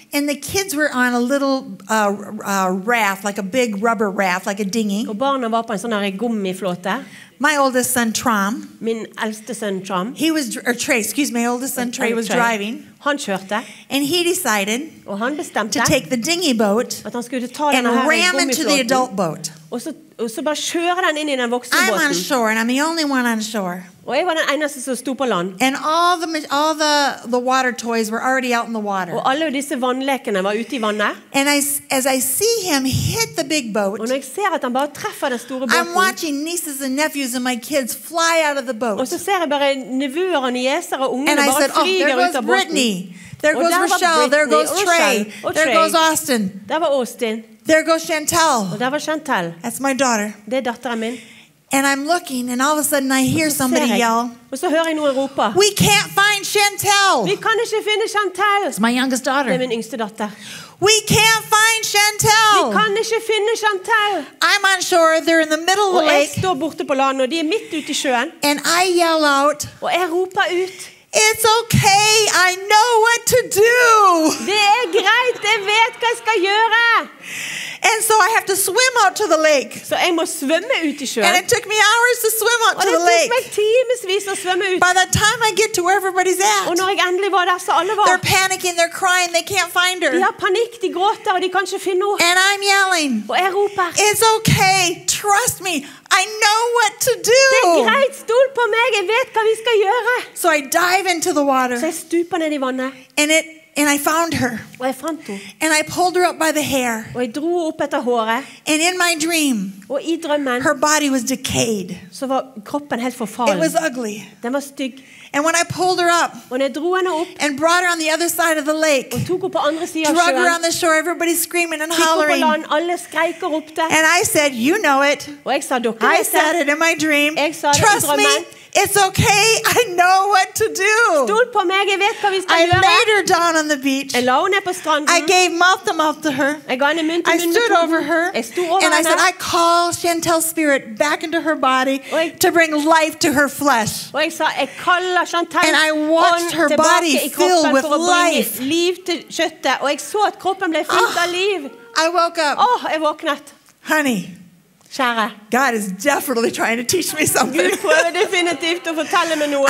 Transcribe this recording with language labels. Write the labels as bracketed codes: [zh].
[en] And the kids were on a little raft, like a big rubber raft, like a dinghy. [no] Og barna var på en sånn gummiflåte. [en] My oldest son Trom. [no] Min eldste sønn Trom. [en] He was or Trey, excuse me, my oldest son Trey was driving. [no] Han kjørte. [en] And he decided [no] og han bestemte [en] to take the dinghy boat [no] at han skulle ta denne [en] her ram into the adult boat. [no] Og så bare kjører den inn I den voksne [en] I'm [no] båten. [en] On shore and I'm the only one on shore. [no] Og jeg var den eneste som stod på land. [en] And all the water toys were already out in the water. [no] Og alle disse vannlekene var ute I vannet. [en] And as I see him hit the big boat. [no] Og når jeg ser at han bare treffer den store båten. [en] I'm watching nieces and nephews and my kids fly out of the boat. [no] Og så ser jeg bare nevuer og nieser og ungene bare flyger ut av båten. [en] And I said, oh, there goes Brittany. There goes Rochelle. There goes Trey. There goes Austin. [no] Der var Austin. [en] There goes Chantel. [no] Og der var Chantel. [en] That's my daughter. [no] Det datteren min. [en] And I'm looking, and all of a sudden I hear somebody yell. [no] Og så hører jeg noen rope. [en] We can't find Chantel. [no] Vi kan ikke finne Chantel. [en] It's my youngest daughter. [no] Det min yngste datter. [en] We can't find Chantel. [no] Vi kan ikke finne Chantel. [en] I'm on shore. They're in the middle of the lake. [no] Og jeg står borte på land, og de midt ute I sjøen. [en] And I yell out. [no] Og jeg roper ut. [en] It's okay. I know what to do. [no] Det greit. Jeg vet hva jeg skal gjøre. [en] And so I have to swim out to the lake. [no] Så jeg må svømme ut I sjøen. [en] And it took me hours to swim out to the lake. [no] Og det tok meg timesvis å svømme ut. [en] By the time I get to where everybody's at. [no] Og når jeg endelig var der, så alle var. [en] They're panicking, they're crying, they can't find her. [no] De har panikk, de gråter, og de kan ikke finne henne. [en] And I'm yelling. [no] Og jeg roper. [en] It's okay, trust me, I know what to do. [no] Det greit, stol på meg, jeg vet hva vi skal gjøre. [en] So I dive into the water. [no] Så jeg stuper ned I vannet. [en] And I found her. [no] Og jeg fant henne. [en] And I pulled her up by the hair. [no] Og jeg dro opp etter håret. [en] And in my dream. [no] Og I drømmen. [en] Her body was decayed. [no] Så var kroppen helt forfallen. [en] It was ugly. [no] Den var stygg. [en] And when I pulled her up. [no] Og når jeg dro henne opp. [en] And brought her on the other side of the lake. [no] Og tok henne på andre siden av sjøen. [en] Drug her on the shore. Everybody screaming and hollering. [no] Tok henne på land. Alle skreik og ropte. [en] And I said, you know it. [no] Og jeg sa, dere vet det. [en] I said it in my dream. [no] Jeg sa det. [en] Trust me. It's okay, I know what to do. [no] Stol på meg, jeg vet hva vi skal [en] I [no] gjøre. [en] I laid her down on the beach. [no] Jeg la henne på stranden. [en] I gave mouth to mouth to her. [no] Jeg ga henne munn til munn. [en] I stood over her. [no] Jeg sto over [en] and I said, I call Chantel's spirit back into her body to bring life to her flesh. [no] Og jeg sa, jeg kaller Chantel. [en] And I watched her body fill with life. [no] Liv til kjøttet. Og jeg så at kroppen ble fylt av liv. [en] I woke up. [no] Oh, jeg våknet. [en] Honey. [no] Kjære. [en] God is definitely trying to teach me something. [no] Gud prøver definitivt å fortelle meg noe.